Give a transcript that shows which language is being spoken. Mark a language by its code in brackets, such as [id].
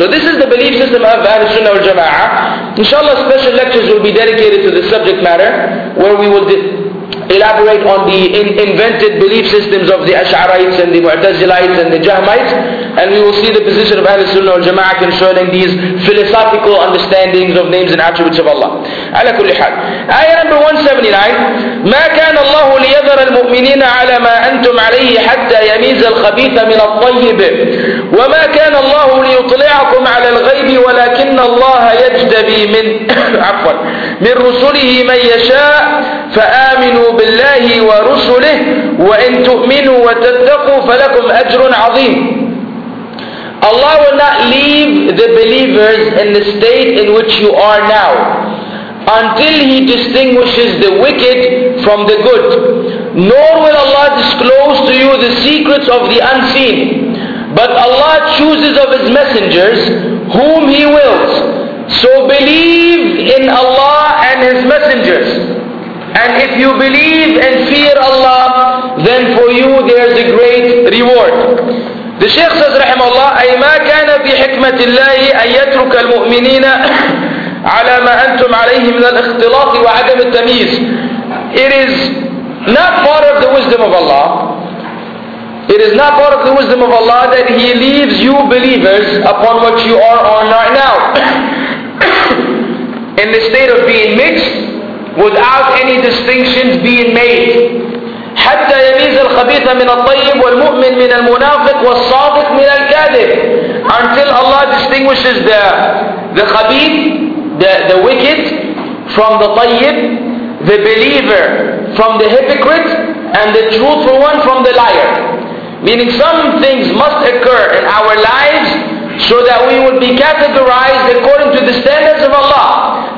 [en] So this is the belief system of Ahl-Sunnah wal-Jama'ah. Inshallah, special lectures will be dedicated to this subject matter, where we will elaborate on the invented belief systems of the Ash'arites and the Mu'tazilites and the Jahmites, and we will see the position of Ahl-Sunnah wal-Jama'ah concerning these philosophical understandings of names and attributes of Allah. [ar] Ala kulli hal. [en] Ayah number 179. [ar] ما كان الله ليذر المؤمنين على ما أنتم عليه حتى يميز الخبيث من الطيب وما كان الله ليطلعكم على الغيب ولكن الله يجتبي من عفوا من رسله من يشاء فآمنوا بالله ورسله وإن تؤمنوا وتتقوا فلكم أجر عظيم. [en] Allah will not leave the believers in the state in which you are now. until He distinguishes the wicked from the good. Nor will Allah disclose to you the secrets of the unseen. But Allah chooses of His messengers whom He wills. So believe in Allah and His messengers. And if you believe and fear Allah, then for you there is a great reward. The Shaykh says, [ar] رحمه الله, أي ما كان في حكمة الله أن يترك المؤمنين على ما أنتم عليه من الاختلاط وعدم التمييز. [en] It is not part of the wisdom of Allah. It is not part of the wisdom of Allah that He leaves you believers upon what you are on right now. In the state of being mixed, without any distinctions being made. [ar] حتى يميز الخبيث من الطيب والمؤمن من المنافق والصادق من الكاذب. [en] Until Allah distinguishes the khabith, the wicked, from the طيب, the believer from the hypocrite, and the truthful one from the liar. Meaning some things must occur in our lives so that we would be categorized according to the standards of Allah.